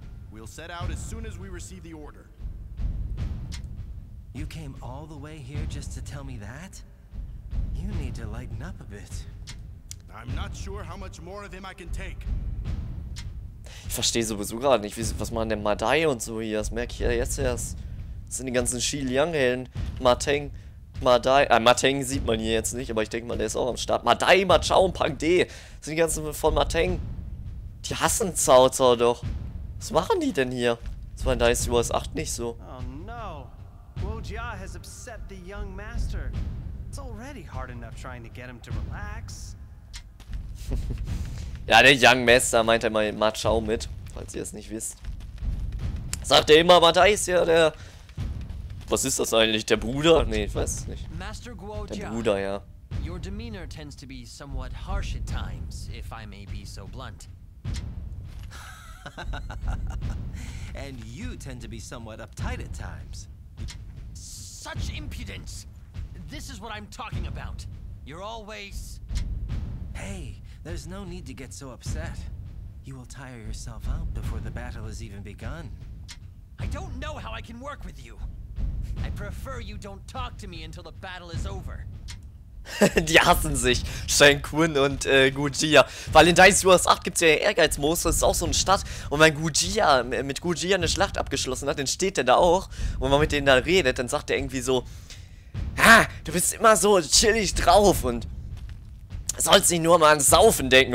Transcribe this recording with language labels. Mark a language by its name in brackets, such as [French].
[English] We'll set out as soon as we receive the order. You came all the way here just to tell me that? You need to lighten up a bit. I'm not sure how much more of him I can take. [German] Ich verstehe sowieso gerade nicht, was machen denn Madai und so hier? Das merke ich ja jetzt erst. Das sind die ganzen Xi Liang-Helden. Mateng, Madai. Mateng sieht man hier jetzt nicht, aber ich denke mal, der ist auch am Start. Madai, Ma Chao und Pang De. Das sind die ganzen von Mateng. Die hassen Cao Cao doch. Was machen die denn hier? Das war in Dynasty Wars 8 nicht so. [English] Oh no! Guo Jia has upset the young master. It's already hard enough trying to get him to relax. [German] Ja, der Young Master meint er mal Ma Chao mit, falls ihr es nicht wisst. Sagt er immer, Ma Dai ist ja der. Was ist das eigentlich? Der Bruder? Nee, ich weiß es nicht. [English] Master Guo Jia. [German] Der Bruder, ja. [English] Your demeanor tends to be somewhat harsh at times, if I may be so blunt. And you tend to be somewhat uptight at times. Such impudence! This is what I'm talking about. You're always... Hey, there's no need to get so upset. You will tire yourself out before the battle has even begun. I don't know how I can work with you. I prefer you don't talk to me until the battle is over. [German] Die hassen sich, Shang Quan und Gugia. Weil in Dynasty Wars 8 gibt es ja Ehrgeizmoos, das ist auch so eine Stadt. Und wenn Gugia mit Gugia eine Schlacht abgeschlossen hat, dann steht der da auch. Und wenn man mit denen da redet, dann sagt der irgendwie so: Ha, du bist immer so chillig drauf und sollst dich nur mal ans Saufen denken.